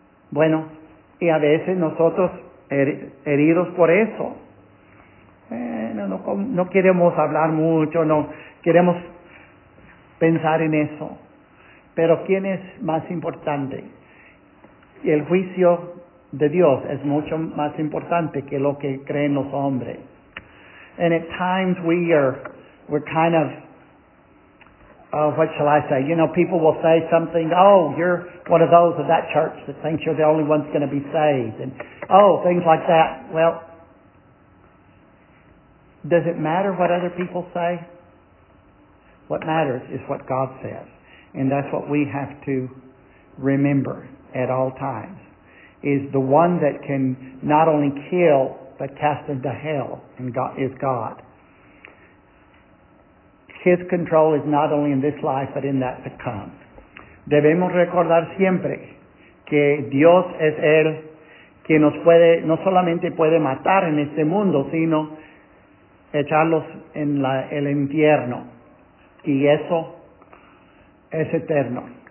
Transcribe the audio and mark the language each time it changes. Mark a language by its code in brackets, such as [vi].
[es] Bueno, y a veces nosotros heridos por eso, no queremos hablar mucho, no queremos pensar en eso. Pero ¿quién es más importante? El juicio de Dios es mucho más importante que lo que creen los hombres. [en] And at times we're kind of, what shall I say? You know, people will say something, oh, you're one of those of that church that thinks you're the only one that's going to be saved. And, oh, things like that. Well, does it matter what other people say? What matters is what God says. And that's what we have to remember at all times, is the one that can not only kill, but cast into hell, and God is God. His control is not only in this life, but in that to come. [es] Debemos recordar siempre que Dios es el que nos puede, no solamente puede matar en este mundo, sino echarlos en el infierno, y eso es eterno.